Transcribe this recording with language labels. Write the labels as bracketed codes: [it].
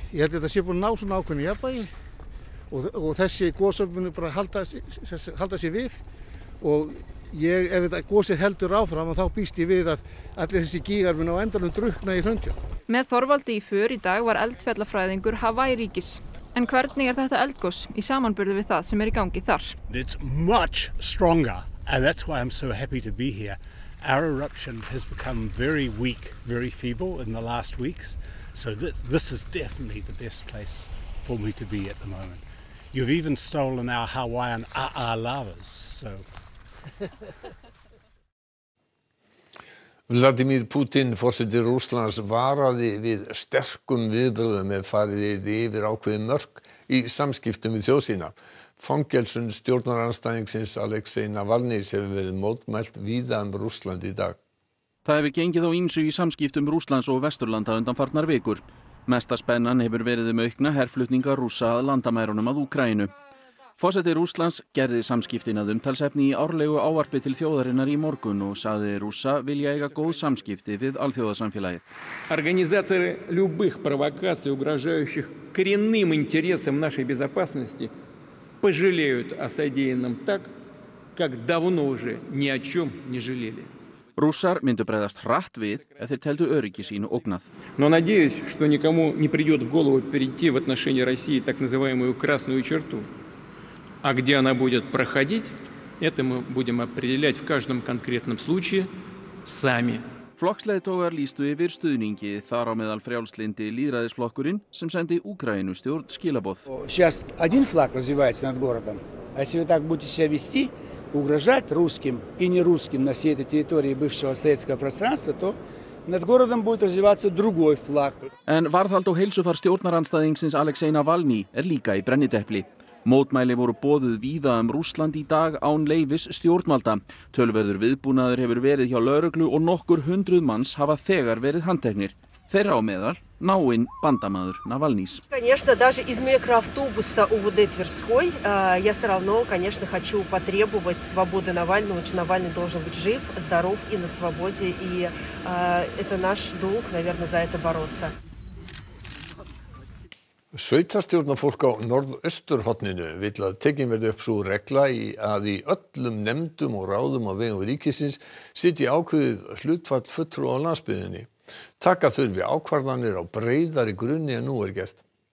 [is] Ég held að þetta sé búin að ná svona ákveðinu jafnvægi og þessi gosop muni bara halda sér við. Og ég, ef þetta gosið heldur áfram, þá býst ég við að allir þessi gígar muni á endanum drukna í hröndjum. Með Þorvaldi í för í dag var eldfjallafræðingur Hawaii-ríkis. En hvernig er þetta eldgos í samanburði við það sem er í gangi þar? [en] It's much stronger and that's why I'm so happy to be here. Our eruption has become very weak, very feeble in the last weeks. So this is definitely the best place for me to be at the moment. You've even stolen our Hawaiian a-a lavas, so... [is] Vladimir Putin, forseti Rússlands, varaði við sterkum viðbrögðum ef farið yrði yfir ákveðið mörk í samskiptum við þjóð sína. Fangelsun stjórnarandstæðingsins Alexei Navalnys hefur verið mótmælt víða Rússland í dag. Það hefur gengið á ýmsu í samskiptum Rússlands og Vesturlanda undanfarnar vikur. Mesta spennan hefur verið aukna herflutninga Rússa að landamærunum að Úkraínu. Forseti Rússlands gerði samskiptin að umtalsefni í árlegu ávarpi til þjóðarinnar í morgun og sagði Rússa vilja eiga góð samskipti við alþjóðasamfélagið. [ru] Organizatori любых провокаций, угрожающих коренным интересам нашей безопасности, пожалеют о содеянном так, как давно уже ни о чём не жалели. [is] Rússar myndu bregðast hratt við ef þeir teldu öryggi sínu ógnað. [ru] Но надеюсь, что никому не придёт в голову перейти в отношении России так называемую красную черту. А где она будет проходить, это мы будем определять в каждом конкретном случае сами. [is] Flokksleiðtogar lýstu yfir stuðningi þar á meðal frjálslyndi lýðræðisflokkurinn sem sendi Úkraínu stjórn skilaboð. [ru] Сейчас один флаг развивается над городом. А если вы так будете себя вести, угрожать русским и нерусским на всей этой территории бывшего советского пространства, то над городом будет развиваться другой флаг. [is] En varðhald og heilsufar stjórnarandstæðingsins Alexei Navalny líka í brennidepli. Mótmæli voru boðuð víða Rússland í dag án leyfis stjórnvalda. Tölverður viðbúnaður hefur verið hjá lögreglu og nokkur hundruð manns hafa þegar verið handteknir. Þeirra á meðal náinn bandamaður Navalnýs. [ru] Конечно, даже из микроавтобуса УВД Тверской, я всё равно, конечно, хочу потребовать свободы Навального. Навальный должен быть жив, здоров и на свободе, и это наш долг, наверное, за это бороться. [is] Sveitarstjórnarfólk á norðausturhorninu vill að tekin verði upp sú regla í að í öllum nefndum og ráðum á vegum ríkisins sitji ákveðið hlutfall fulltrúa á landsbyggðinni. Taka þurfi ákvarðanir á breiðari grunni en nú gert.